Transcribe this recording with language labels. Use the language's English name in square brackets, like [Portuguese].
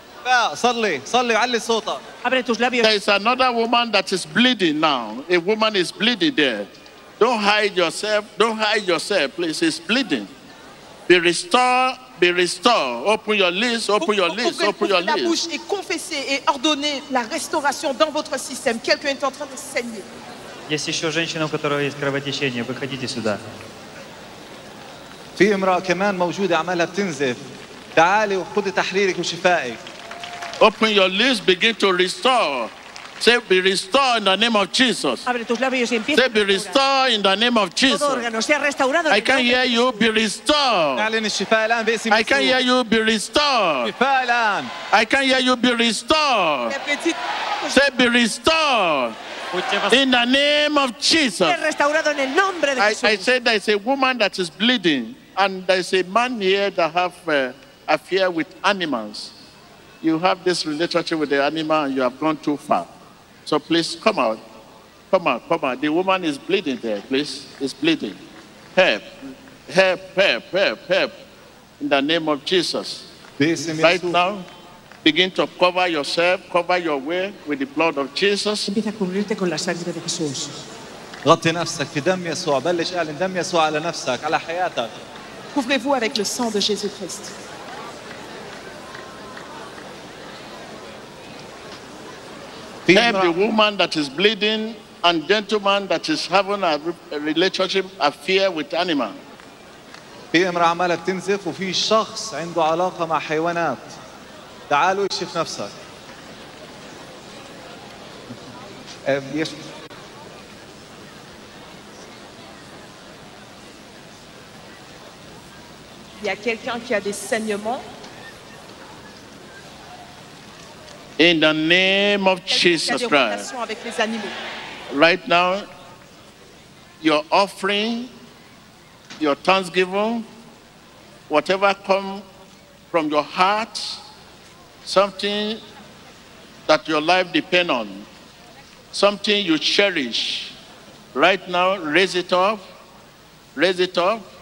[English] There is another woman that is bleeding now. A woman is bleeding there. Don't hide yourself. Don't hide yourself, please. It's bleeding. Be restored, be restored. Open your lips, open your lips, open your lips. [French] La bouche et confessez et ordonnez la restauration dans votre système. Quelqu'un est en train de saigner. [Russian] Есть еще женщина, у которой есть кровотечение. Выходите сюда. [Arabic] في امرأة كمان موجودة عمالها بتنزف. تعالي وخذي تحريرك وشفائك. [English] Open your lips, begin to restore. Say, be restored in the name of Jesus. [Spanish] Abre tus labios y empieza. [English] Say, be restored in the name of Jesus. [Spanish] Todo órgano sea restaurado. [English] I can hear you. Be restored. [Arabic] أعلن الشفاء الآن باسم [English] يسوع. I can hear you. Be restored. [Arabic] شفاء الآن. [English] I can hear you. Be restored. Say, be restored. In the name of Jesus. I said there is a woman that is bleeding, and there is a man here that have a fear with animals. You have this relationship with the animal, and you have gone too far. So please come out. Come out, come out. The woman is bleeding there, please. It's bleeding. Help. Help, help, help, help. In the name of Jesus. Right now, begin to cover yourself, cover your way with the blood of Jesus. [Spanish] Empieza a cubrirte con la sangre de Jesús. [Arabic] غطي نفسك في دم يسوع. بلش اعلن دم يسوع على نفسك, على حياتك. [French] Couvrez-vous avec le sang de Jésus-Christ. [English] Help the woman that is bleeding and gentleman that is having a relationship, a fear with animal. [Arabic] في امرأة عمالة بتنزف وفي شخص عنده علاقة مع حيوانات. تعالوا اشف نفسك. [French] Il y a quelqu'un qui a des saignements. [English] In the name of Jesus Christ. [French] Avec les animaux. [English] Right now, your offering, your thanksgiving, whatever comes from your heart, something that your life depends on, something you cherish, right now, raise it up, raise it up.